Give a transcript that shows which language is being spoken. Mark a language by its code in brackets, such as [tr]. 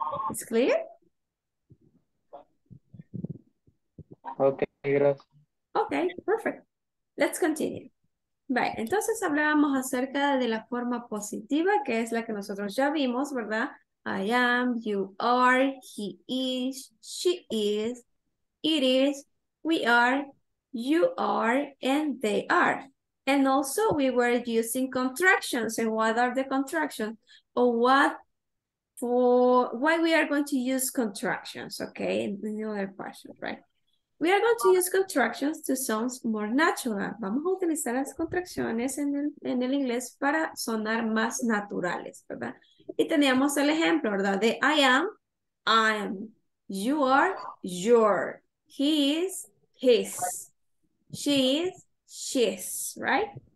[es] ¿Es clear? Ok, gracias. [en] Ok, perfect. Let's continue. Right. [es] Entonces hablábamos acerca de la forma positiva, que es la que nosotros ya vimos, ¿verdad? [en] I am, you are, he is, she is, it is, we are, you are, and they are. And also we were using contractions. And what are the contractions? Or what for, why we are going to use contractions, okay? In the other portion, right? We are going to use contractions to sound more natural. [es] Vamos a utilizar las contracciones en el inglés para sonar más naturales, ¿verdad? Y teníamos el ejemplo, ¿verdad? [en] De I am, you are, your, he is, his, she is, she's, right?